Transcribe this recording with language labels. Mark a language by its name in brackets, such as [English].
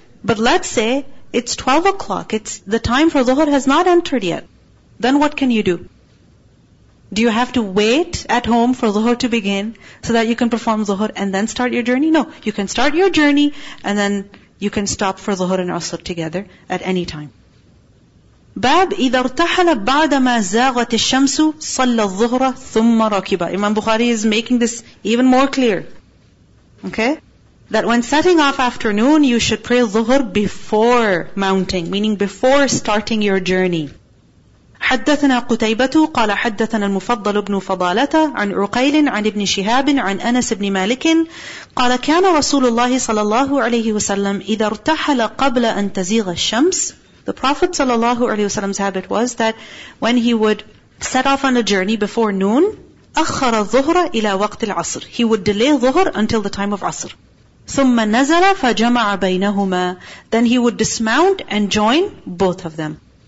[English] But let's say it's 12 o'clock. It's the time for ظهر has not entered yet. Then what can you do? Do you have to wait at home for ظهر to begin so that you can perform ظهر and then start your journey? No. You can start your journey and then you can stop for ظهر and عصر together at any time. [Arabic] باب إذا ارتحل بعدما زاغت الشمس صلى الظهر ثم ركب. [English] Imam Bukhari is making this even more clear. Okay? That when setting off afternoon, you should pray ظهر before mounting, meaning before starting your journey. [Arabic] حدثنا قتيبة قال حدثنا المفضل بن فضالة عن عقيل عن ابن شهاب عن أنس بن مالك قال كان رسول الله صلى الله عليه وسلم إذا ارتحل قبل أن تزيغ الشمس. [English] The Prophet sallallahu alaihi wasallam's habit was that when he would set off on a journey before noon, [Arabic] أَخَّرَ الظُّهْرَ إِلَى وَقْتِ الْعَصْرِ, [English] he would delay ظهر until the time of عصر. [Arabic] ثُمَّ نَزَلَ فَجَمَعَ بَيْنَهُمَا, [English] then he would dismount and join both of them.